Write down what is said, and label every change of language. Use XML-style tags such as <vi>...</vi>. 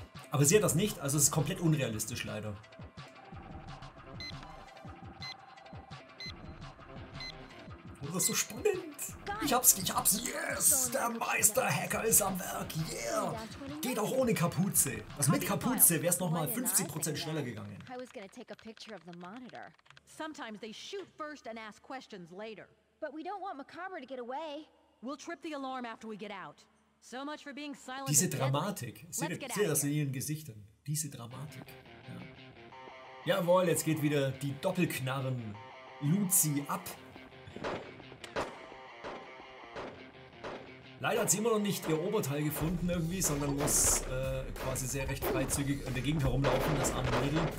<de>Aber sie hat das nicht, also es ist komplett unrealistisch leider. Das ist so spannend. Ich hab's, yes, der Meisterhacker ist am Werk, yeah. Geht auch ohne Kapuze. Also mit Kapuze wäre es nochmal 50% schneller gegangen.</de> <en>I was gonna take a picture of the monitor. Sometimes they shoot first and ask questions later. But we don't want Macabre to get away. We'll trip the alarm after we get out. So much for being silent.</en> <de>Diese Dramatik, seht ihr das in ihren Gesichtern? Diese Dramatik. Ja. Jawohl, jetzt geht wieder die Doppelknarren Luzi ab. Leider hat sie immer noch nicht ihr Oberteil gefunden irgendwie, sondern muss quasi sehr recht freizügig in der Gegend herumlaufen, das arme Mädel.</de>